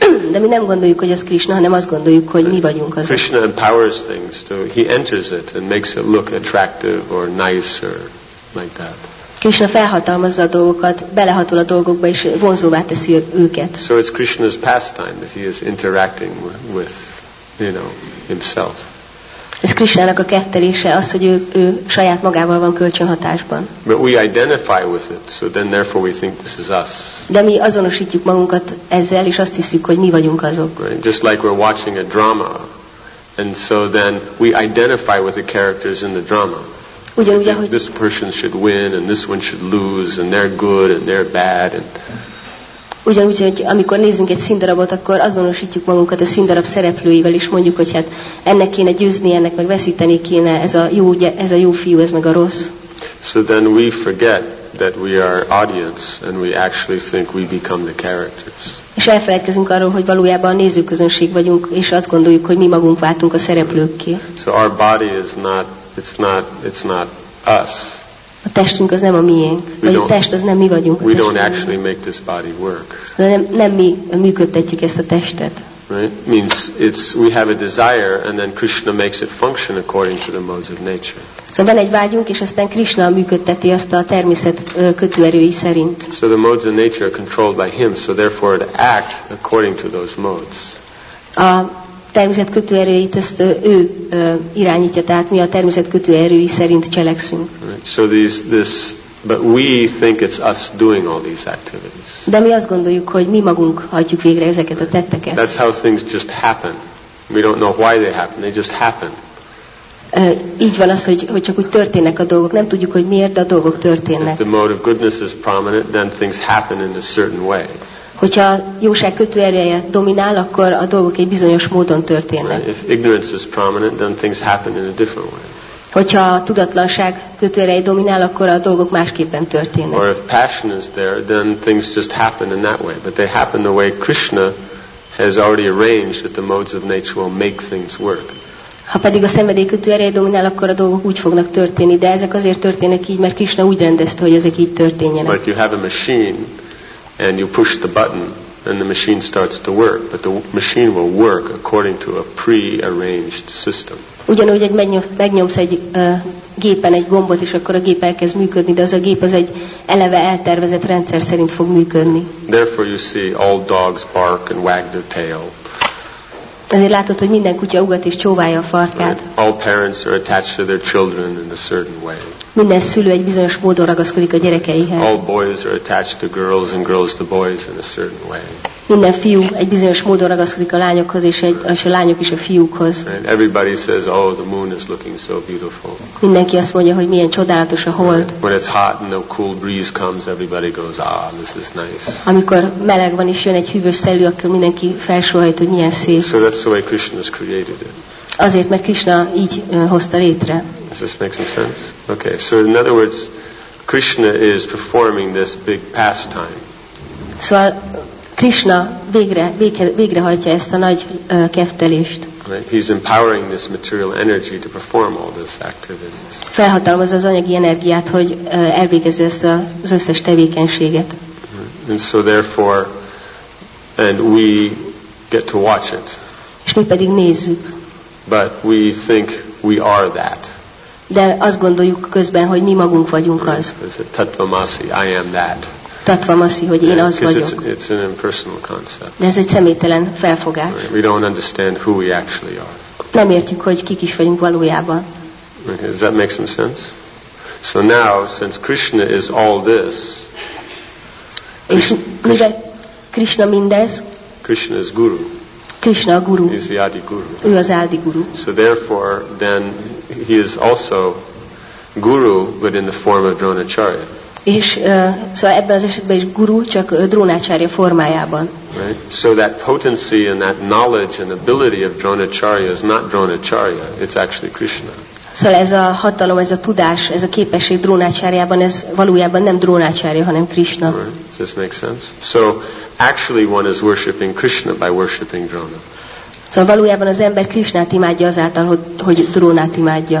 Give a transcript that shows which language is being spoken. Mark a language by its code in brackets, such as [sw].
[hu] De mi nem gondoljuk, hogy az Krishna, hanem azt gondoljuk, hogy mi vagyunk az. [en] Krishna empowers things, so he enters it and makes it look attractive or nicer, like that. [hu] Krishna felhatalmazza a dolgokat, belehatol a dolgokba, és vonzóvá teszi őket. [en] So it's Krishna's pastime, that he is interacting with, you know, himself. [hu] Ez Krisnának a kettelése az, hogy ő saját magával van kölcsönhatásban. [en] But we identify with it, so then therefore we think this is us. [hu] De mi azonosítjuk magunkat ezzel, és azt hiszük, hogy mi vagyunk azok. [en] Right. Just like we're watching a drama, and so then we identify with the characters in the drama. [hu] Ugyanúgy, ahogy [en] this person should win, and this one should lose, and they're good, and they're bad, and [hu] ugyanúgy, hogy amikor nézünk egy színdarabot, akkor azonosítjuk magunkat a színdarab szereplőivel, és mondjuk, hogy hát ennek kéne győzni, ennek meg veszíteni kéne, ez a jó fiú, ez meg a rossz. [en] So then we forget that we are audience, and we actually think we become the characters. [hu] És elfelejtkezünk arról, hogy valójában a nézőközönség vagyunk, és azt gondoljuk, hogy mi magunk váltunk a szereplőkké. [en] So our body is not, it's not us. [hu] A testünk az nem a miénk, vagy a test az nem mi vagyunk. [en] We don't actually make this body work. [hu] De nem mi működtetjük ezt a testet. [en] Right? Means it's we have a desire and then Krishna makes it function according to the modes of nature. [hu] Szóval van egy vágyunk, és aztán Krishna működteti azt a természet kötőerői szerint. [en] So the modes of nature are controlled by him, so therefore it acts according to those modes. [hu] A természet kötőerőit ezt ő irányítja, tehát mi a természet kötőerői szerint cselekszünk. [en] Right. So this but we think it's us doing all these activities. [hu] De mi azt gondoljuk, hogy mi magunk hajtjuk végre ezeket a tetteket. [en] That's how things just happen. We don't know why they happen. They just happen. [hu] Így van az, hogy csak úgy történnek a dolgok. Nem tudjuk, hogy miért, de a dolgok történnek. [en] If the mode of goodness is prominent, then things happen in a certain way. [hu] Hogyha a jóság kötőereje dominál, akkor a dolgok egy bizonyos módon történnek. [en] If ignorance is prominent, then things happen in a different way. [hu] Hogyha a tudatlanság kötőereje dominál, akkor a dolgok másképpen történnek. [en] Or if passion is there, then things just happen in that way. But they happen the way Krishna has already arranged that the modes of nature will make things work. [hu] Ha pedig a szenvedély kötőereje dominál, akkor a dolgok úgy fognak történni. De ezek azért történnek így, mert Krishna úgy rendezte, hogy ezek így történjenek. [en] But you have a machine, and you push the button, and the machine starts to work. But the machine will work according to a pre-arranged system. [hu] Ugyanúgy, hogy megnyomsz egy gépen egy gombot, és akkor a gép elkezd működni, de az a gép az egy eleve eltervezett rendszer szerint fog működni. [en] Therefore you see all dogs bark and wag their tail. [hu] Ezért látod, hogy minden kutya ugat és csóválja a farkát. [en] Right. All parents are attached to their children in a certain way. [hu] Minden szülő egy bizonyos módon ragaszkodik a gyerekeihez. [en] All boys are attached to girls and girls to boys in a certain way. [hu] Minden fiú egy bizonyos módon ragaszkodik a lányokhoz és a lányok is a fiúkhoz. [en] Right. Everybody says, oh, the moon is looking so beautiful. [hu] Mindenki azt mondja, hogy milyen csodálatos a hold. [en] Right. When it's hot and a cool breeze comes, everybody goes, ah, this is nice. [hu] Amikor meleg van és jön egy hűvös szellő, akkor mindenki felsóhajt, hogy milyen szép. [en] So that's the way Krishna has created it. [hu] Azért, mert Krishna így hozta létre. [en] Does this make some sense? Okay, so in other words, Krishna is performing this big pastime. [hu] Szóval Krishna végrehajtja ezt a nagy keftelést. [en] Right. He's empowering this material energy to perform all these activities. [hu] Felhatalmazza az anyagi energiát, hogy elvégezze ezt az összes tevékenységet. [en] And so therefore, and we get to watch it. [hu] És mi pedig nézzük. [en] But we think we are that. [hu] De azt gondoljuk közben, hogy mi magunk vagyunk az. [en] Tattvamasi, I am that. [hu] Tattvamasi, hogy én az vagyok. [en] It's an impersonal concept. [hu] De ez egy személytelen felfogás. [en] We don't understand who we actually are. [hu] Nem értjük, hogy kik is vagyunk valójában. [en] Okay, does that make some sense? So now, since Krishna is all this, [hu] és mivel Krishna mindez, [en] Krishna is guru. [hu] Krishna a guru. [en] He's the Adi guru. [hu] Ő az Adi guru. [en] So therefore, then he is also guru, but in the form of Dronacharya. [hu] És szóval ebben az esetben is guru, csak Dronacharya formájában. [en] Right. So that potency and that knowledge and ability of Dronacharya is not Dronacharya. It's actually Krishna. [hu] Szóval ez a hatalom, ez a tudás, ez a képesség Dronacharyában, ez valójában nem Dronacharya, hanem Krishna. [en] Right. Does this make sense? So actually one is worshipping Krishna by worshipping Drona. [hu] Szóval valójában az ember Krishnát imádja azáltal, hogy Drónát imádja.